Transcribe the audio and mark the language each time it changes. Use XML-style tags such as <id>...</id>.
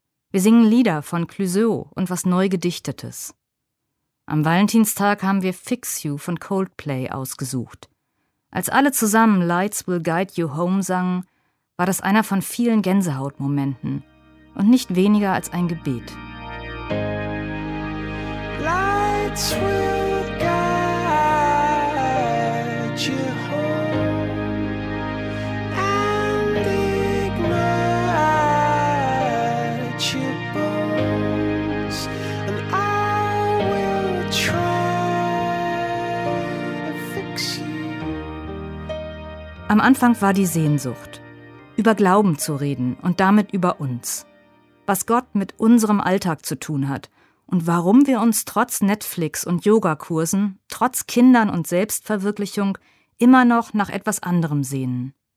<de>Wir singen Lieder von Clouseau und was Neugedichtetes. Am Valentinstag haben wir Fix You von Coldplay ausgesucht. Als alle zusammen Lights Will Guide You Home sangen, war das einer von vielen Gänsehautmomenten und nicht weniger als ein Gebet.</de> <en>Lights will guide you home and ignite your bones, and I will try to fix you.</en> <de>Am Anfang war die Sehnsucht. Über Glauben zu reden und damit über uns. Was Gott mit unserem Alltag zu tun hat und warum wir uns trotz Netflix und Yogakursen, trotz Kindern und Selbstverwirklichung immer noch nach etwas anderem sehnen.</de>